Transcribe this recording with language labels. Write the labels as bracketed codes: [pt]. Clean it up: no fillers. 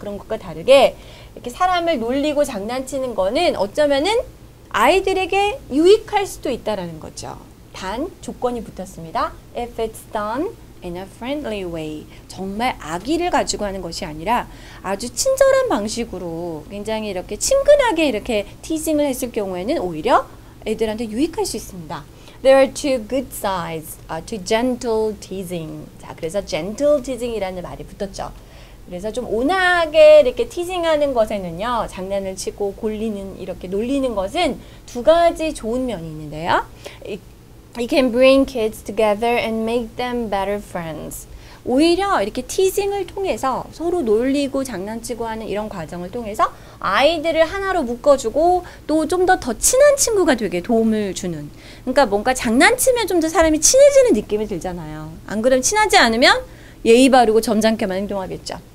[ko] 그런 것과 다르게 이렇게 사람을 놀리고 장난치는 거는 어쩌면은 아이들에게 유익할 수도 있다라는 거죠. 단 조건이 붙었습니다. [en] If it's done in a friendly way. [ko] 정말 악의를 가지고 하는 것이 아니라 아주 친절한 방식으로 굉장히 이렇게 친근하게 이렇게 teasing을 했을 경우에는 오히려 애들한테 유익할 수 있습니다. [en] There are two good sides to gentle teasing. [ko] 자, 그래서 gentle teasing이라는 말이 붙었죠. 그래서 좀 온화하게 이렇게 티징하는 것에는요, 장난을 치고 골리는, 이렇게 놀리는 것은 두 가지 좋은 면이 있는데요. [en] It can bring kids together and make them better friends. [ko] 오히려 이렇게 티징을 통해서 서로 놀리고 장난치고 하는 이런 과정을 통해서 아이들을 하나로 묶어주고 또 좀 더 친한 친구가 되게 도움을 주는, 그러니까 뭔가 장난치면 좀 더 사람이 친해지는 느낌이 들잖아요. 안 그러면 친하지 않으면 예의 바르고 점잖게만 행동하겠죠.